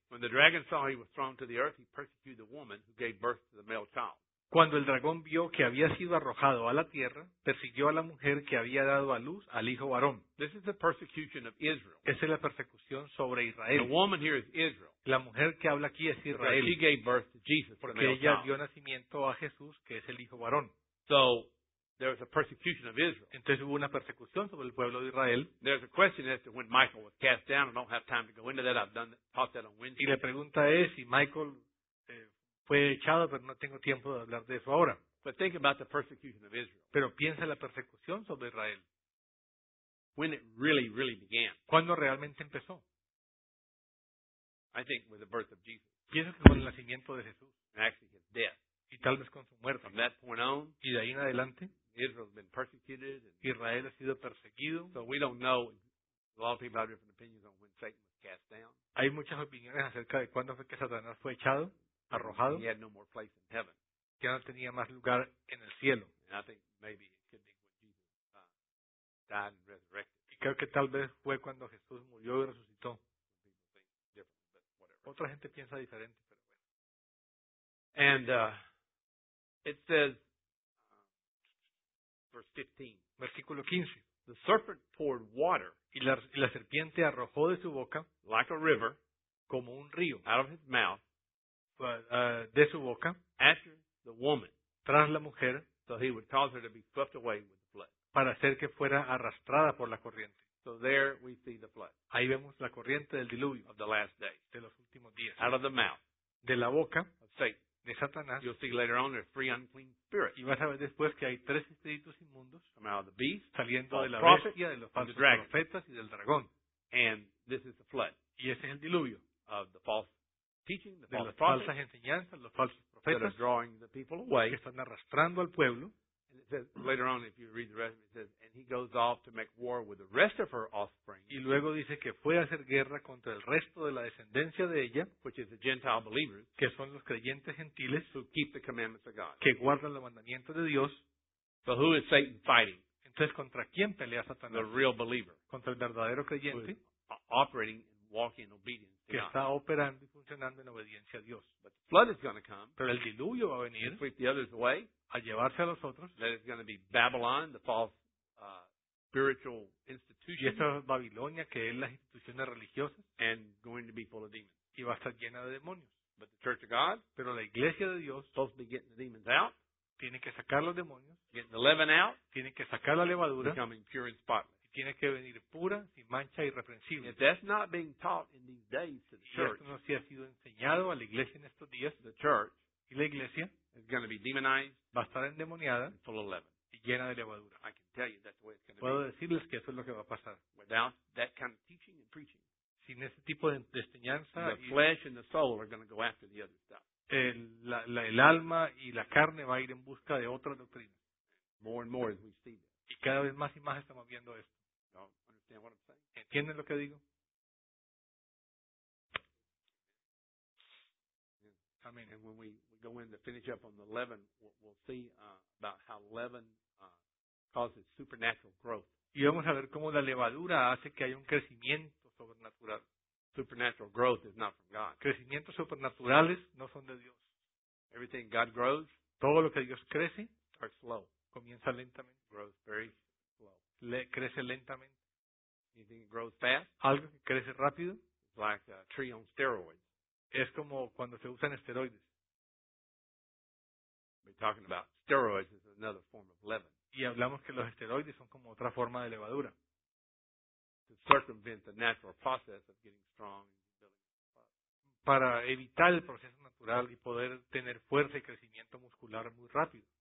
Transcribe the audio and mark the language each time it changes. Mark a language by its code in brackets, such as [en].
[en] When the dragon saw he was thrown to the earth, he persecuted the woman who gave birth to the male child. [es] Cuando el dragón vio que había sido arrojado a la tierra, persiguió a la mujer que había dado a luz al hijo varón. [en] This is the persecution of Israel. [es] Esa es la persecución sobre Israel. [en] The woman here is Israel. [es] La mujer que habla aquí es Israel. [en] She gave birth to Jesus, [es] porque ella dio nacimiento a Jesús, que es el hijo varón. [en] So, there was a persecution of Israel. [es] Entonces hubo una persecución sobre el pueblo de Israel. [en] There's a question as to when Michael was cast down. I don't have time to go into that. I've done that, taught that on Wednesday. [es] Y la pregunta es si Michael fue echado, pero no tengo tiempo de hablar de eso ahora. [en] But think about the persecution of Israel. [es] Pero piensa en la persecución sobre Israel. [en] When it really, really began. [es] ¿Cuándo realmente empezó? [en] I think with the birth of Jesus. [es] Pienso que con el nacimiento de Jesús. [en] And actually his death. [es] Y tal vez con su muerte. [en] From that point on, [es] y de ahí en adelante, [en] Israel's been persecuted and [es] Israel ha sido perseguido. [en] So we don't know. A lot of people have different opinions on when Satan was cast down. [es] Hay muchas opiniones acerca de cuándo fue que Satanás fue echado. Arrojado, [en] he had no more place in heaven. [es] Ya no tenía más lugar en el cielo. [en] And I think maybe it could be when Jesus died and resurrected. [es] Y creo que tal vez fue cuando Jesús murió y resucitó. Otra gente piensa diferente, pero bueno. [en] And it says, verse 15. [es] Versículo 15. [en] The serpent poured water. [es] Y la serpiente arrojó de su boca, [en] like a river, [es] como un río, [en] out of his mouth. [es] De su boca, [en] after the woman, [es] tras la mujer, [en] so he would cause her to be swept away with the flood, [es] para hacer que fuera arrastrada por la corriente. [en] So there we see the flood. [es] Ahí vemos la corriente del diluvio [en] of the last days, [es] de los últimos días. [en] Out of the mouth, [es] de la boca, [en] of Satan, [es] de Satanás. [en] You'll see later on there's three unclean spirits. [es] Y vas a ver después que hay tres espíritus inmundos, [en] coming out of the beast, [es] saliendo de la [en] prophet, [es] bestia, de los falsos profetas y del dragón. [en] And this is the flood. [es] Y ese es el diluvio [en] of the false teaching, the [es] de las falsas enseñanzas, los falsos profetas, [en] that are drawing the people away, [es] que están arrastrando al pueblo. [en] And it says, later on, if you read the rest, it says, and he goes off to make war with the rest of her offspring. [es] Y luego dice que fue a hacer guerra contra el resto de la descendencia de ella, [en] which is the Gentile believers, [es] que son los creyentes gentiles, [en] who keep the commandments of God, [es] que guardan los mandamientos de Dios. [en] So who is Satan fighting? [es] Entonces, ¿contra quién pelea Satanás? [en] The real believer. [es] Contra el verdadero creyente. [en] Who is operating and walking in obedience to [es] que [en] God. [es] Está operando y funcionando en obediencia a Dios. [en] But the flood is going to come. [es] Pero el diluvio va a venir. [en] Sweep the others away. [es] A llevarse a los otros. [en] That is going to be Babylon, the false spiritual institution. [es] Y esta es Babilonia, que es las instituciones religiosas. [en] And going to be full of demons. [es] Y va a estar llena de demonios. [en] But the church of God. [es] Pero la iglesia de Dios. [en] Supposed to be getting the demons out. [es] Tiene que sacar los demonios. [en] Get the leaven out. [es] Tiene que sacar la levadura. [en] Becoming pure and spotless. [es] Y tiene que venir pura, sin mancha, irreprensible. [en] If that's not being taught in these days to the church, [es] y esto no se ha sido enseñado a la iglesia en estos días, [en] the church, [es] y la iglesia, [en] is going to be demonized, [es] va a estar endemoniada, [en] and full of leaven, [es] y llena de levadura. [en] I can tell you that's the way it's going to [es] puedo [en] be. [es] Decirles que eso es lo que va a pasar. [en] Without that kind of teaching and preaching, [es] sin ese tipo de enseñanza, [en] the flesh and the soul are going to go after the other stuff. [es] El alma y la carne va a ir en busca de otra doctrina. [en] More and more as we see this. [es] Y cada vez más y más estamos viendo esto. [en] Understand what I'm saying? [es] ¿Entienden lo que digo? [en] Yeah. I mean, and when we go in to finish up on the leaven, we'll see about how leaven causes supernatural growth. [es] Y vamos a ver cómo la levadura hace que haya un crecimiento sobrenatural. [en] Supernatural growth is not from God. [es] Crecimientos supernaturales no son de Dios. [en] Everything God grows, [es] todo lo que Dios crece, [en] starts slow. [es] Comienza lentamente. [en] Grows very slow. [es] Crece lentamente. [en] Anything grows fast, [es] algo que crece rápido, [en] it's like a tree on steroids. [es] Es como cuando se usan esteroides. [en] We're talking about steroids is another form of leaven. [es] Y hablamos que los esteroides son como otra forma de levadura. [en] To circumvent the natural process of getting strong and building up. [es] Para evitar el proceso natural y poder tener fuerza y crecimiento muscular muy rápido.